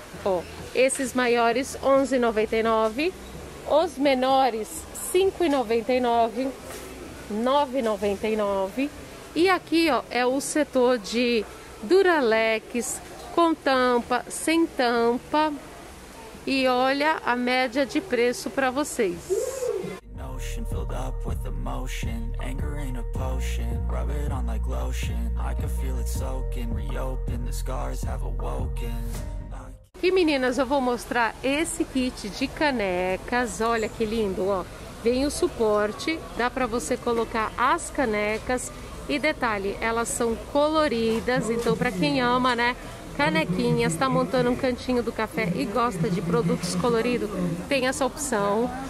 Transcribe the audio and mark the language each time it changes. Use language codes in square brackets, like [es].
[pt] Ó, esses maiores R$11,99. Os menores R$5,99, R$9,99. E aqui, ó, é o setor de Duralex com tampa, sem tampa. E olha a média de preço para vocês. [en] Filled up with emotion, anger ain't a potion, rub it on like lotion, I can feel it soaking, reopen, the scars have awoken. [pt] Aqui, meninas, eu vou mostrar esse kit de canecas. Olha que lindo, ó. Vem o suporte, dá para você colocar as canecas. E detalhe, elas são coloridas, então para quem ama, né, canequinhas, está montando um cantinho do café e gosta de produtos coloridos, tem essa opção.